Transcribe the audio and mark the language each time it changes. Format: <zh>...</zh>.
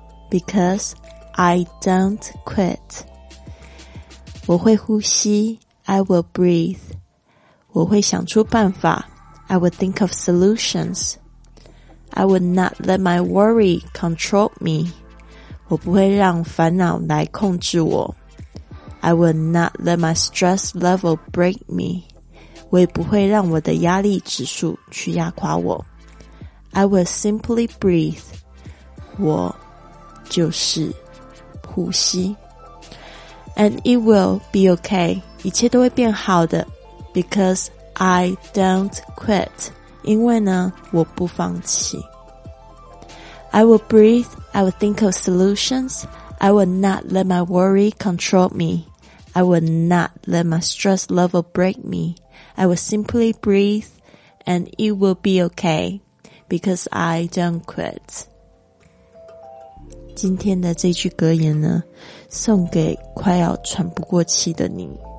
<en>Because I don't quit.</en> <zh>我会呼吸.</zh> <en>I will breathe.</en> <zh>我会想出办法.</zh> <en>I will think of solutions. I will not let my worry control me.</en> <zh>我不会让烦恼来控制我。</zh> <en>I will not let my stress level break me.</en> <zh>我也不会让我的压力指数去压垮我。</zh> <en>I will simply breathe.</en> <zh>我就是呼吸。</zh> <en>And it will be okay.</en> <zh>一切都会变好的。</zh> <en>Because I don't quit.</en> <zh>因为呢，我不放弃。</zh> <en>I will breathe, I will think of solutions, I will not let my worry control me, I will not let my stress level break me, I will simply breathe, and it will be okay, because I don't quit.</en> <zh>今天的这句格言呢，送给快要喘不过气的你。</zh>